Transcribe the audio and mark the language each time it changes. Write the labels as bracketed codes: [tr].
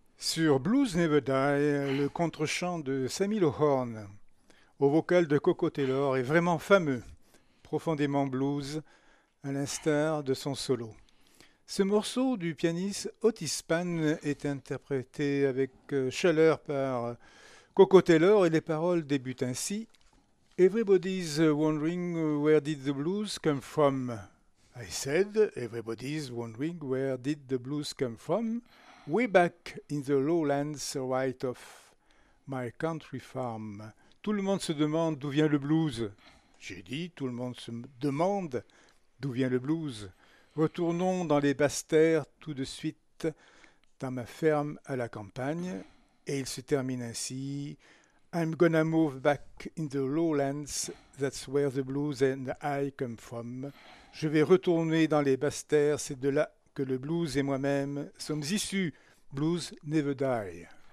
[fr] sur Blues Never Die, le contre-chant de Sammy Lohorn, au vocal de Coco Taylor, est vraiment fameux, profondément blues, à l'instar de son solo. Ce morceau du pianiste Otis Spann est interprété avec chaleur par Coco Taylor et les paroles débutent ainsi. [en] Everybody's wondering where did the blues come from? I said, everybody's wondering where did the blues come from? Way back in the lowlands right off my country farm. [fr] Tout le monde se demande d'où vient le blues. J'ai dit, tout le monde se demande d'où vient le blues. Retournons dans les basses terres tout de suite, dans ma ferme à la campagne. Et il se termine ainsi. [en] I'm gonna move back in the lowlands, that's where the blues and I come from. [fr] Je vais retourner dans les basses terres, c'est de là que le blues et moi-même sommes issus. [en] Blues never die.